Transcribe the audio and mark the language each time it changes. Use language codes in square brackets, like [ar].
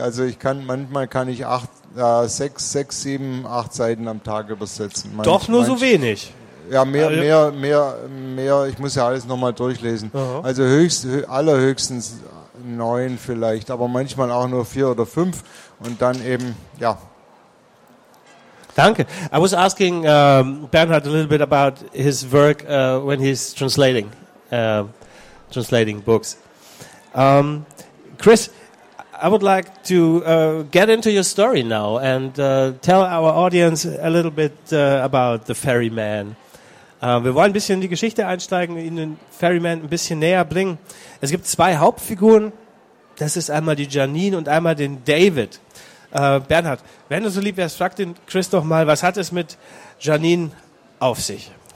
[de] Also ich kann manchmal kann ich acht Seiten am Tag übersetzen. So wenig. Ja, mehr. Ich muss ja alles nochmal durchlesen. Uh-huh. Also allerhöchstens 9 vielleicht, aber manchmal auch nur 4 oder 5. Und dann eben, ja. Danke. [en] I was asking Bernhard a little bit about his work when he's translating books. Chris, I would like to get into your story now and tell our audience a little bit about the Ferryman. [de] Wir wollen ein bisschen in die Geschichte einsteigen, Ihnen den Ferryman ein bisschen näher bringen. Es gibt 2 Hauptfiguren. Das ist einmal die Janine und einmal den David. Bernhard, wenn du so lieb wärst, frag den Chris doch mal, was hat es mit Janine auf sich?